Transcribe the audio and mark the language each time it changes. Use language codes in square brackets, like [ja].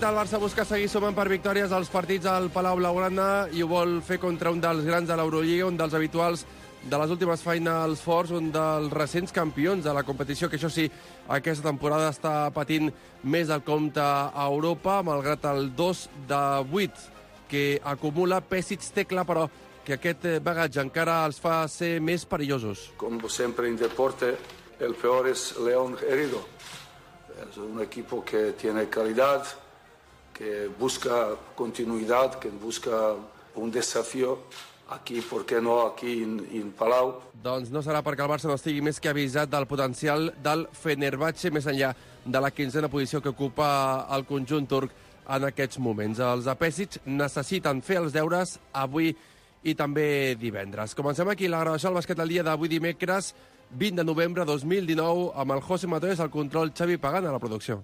[ca] El Barça busca seguir sumant per victòries als partits al Palau Blaugrana i ho vol fer contra un dels grans de l'Eurolliga, un dels habituals de les últimes Finals Fours, un dels recents campions de la competició, que això sí, aquesta temporada està patint més del compte a Europa, malgrat el 2-8 que acumula. Pessic té clar, però, que aquest bagatge encara els fa ser més perillosos. Com sempre [es] en deporte, el peor és León Herido. Es un equipo que tiene calidad, que busca continuidad, que busca un desafío aquí, ¿por qué no aquí en Palau? [ca] Doncs no serà perquè el Barça no estigui més que avisat del potencial del Fenerbahçe, més enllà de la 15a posició que ocupa el conjunt turc en aquests moments. Els apèssics necessiten fer els deures avui i també divendres. Comencem aquí la gravació del Bàsquet al dia d'avui dimecres, 20 de novembre 2019, amb el José Matos al control, Xavi Pagan a la producció.